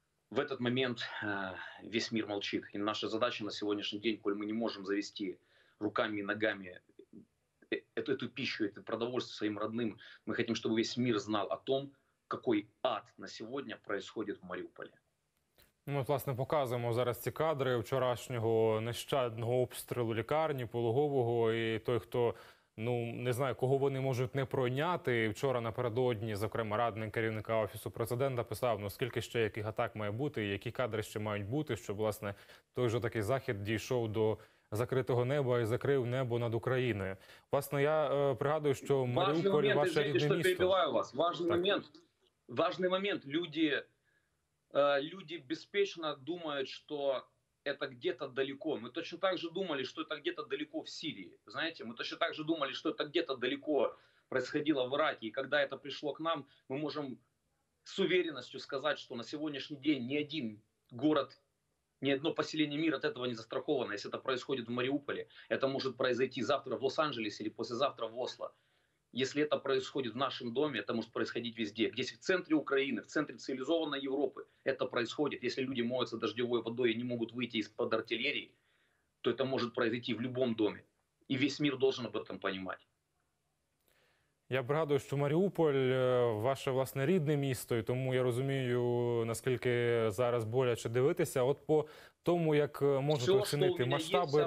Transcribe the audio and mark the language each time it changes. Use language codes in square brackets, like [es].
[ru] В этот момент весь мир молчит. И наша задача на сегодняшний день, коль мы не можем завести руками и ногами эту пищу, это продовольствие своим родным, мы хотим, чтобы весь мир знал о том, какой ад на сегодня происходит в Мариуполе. [uk] Ми, власне, показуємо зараз ці кадри вчорашнього нещадного обстрілу лікарні пологового і той, хто... Ну, не знаю, кого вони можуть не пройняти. Вчора напередодні, зокрема, радник керівника Офісу президента писав, ну, скільки ще яких атак має бути, які кадри ще мають бути, щоб, власне, той же такий захід дійшов до закритого неба і закрив небо над Україною. Власне, я пригадую, що Маріуполь – ваше рідне місто. Важний момент, [ru] извините, [uk] що перебиваю вас. Важний момент. Люди безпечно думають, що... [ru] это где-то далеко. Мы точно так же думали, что это где-то далеко в Сирии. Знаете, мы точно так же думали, что это где-то далеко происходило в Ираке. И когда это пришло к нам, мы можем с уверенностью сказать, что на сегодняшний день ни один город, ни одно поселение мира от этого не застраховано. Если это происходит в Мариуполе, это может произойти завтра в Лос-Анджелесе или послезавтра в Осло. Если это происходит в нашем доме, это может происходить везде. Здесь, в центре Украины, в центре цивилизованной Европы, это происходит. Если люди моются дождевой водой и не могут выйти из-под артиллерии, то это может произойти в любом доме. И весь мир должен об этом понимать. [uk] Я пригадую, что Мариуполь – ваше, власне, рідне місто, и тому я розумію, наскільки зараз боляче дивитися. От по тому, як можуть оцінити масштаби руйнування.